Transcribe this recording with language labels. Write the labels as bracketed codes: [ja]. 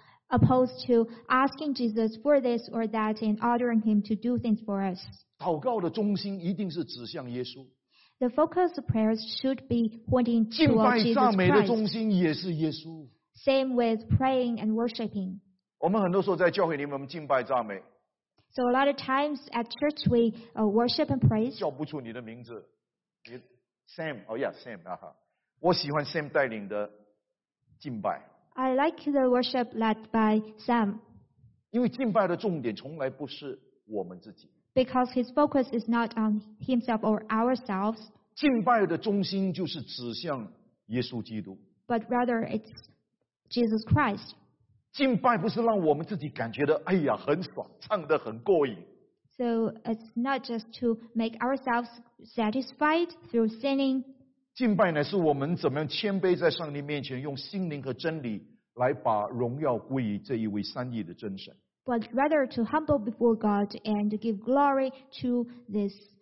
[en] Opposed to asking Jesus for this or that and ordering him to do things for us. [zh] 祷告的中心一定是指向耶稣。 [en] The focus of prayers should be pointing to [zh] 拜赞美的中心也是耶稣。 [en] Same with praying and worshiping. [zh] 我们很多时候在教会里面我们敬拜赞美。 [en] So a lot of times at church we worship and praise. [zh] 叫不出你的名字。 [en] Sam, oh yeah, Sam. [zh] 我喜欢 Sam 带领的敬拜。 [en] I like the worship led by Sam. [zh] 因为敬拜的重点从来不是我们自己。 [en] Because his focus is not on himself or ourselves. [zh] 敬拜的中心就是指向耶稣基督。 [en] But rather it's Jesus Christ. [zh] 敬拜不是让我们自己感觉的哎呀很爽唱得很过瘾。 [en] So it's not just to make ourselves satisfied through singing. [zh] 敬拜乃是我们怎么样谦卑在上帝面前用心灵和真理来把荣耀归于这一位三一的真神。 [en] But rather to humble before God and give glory to this,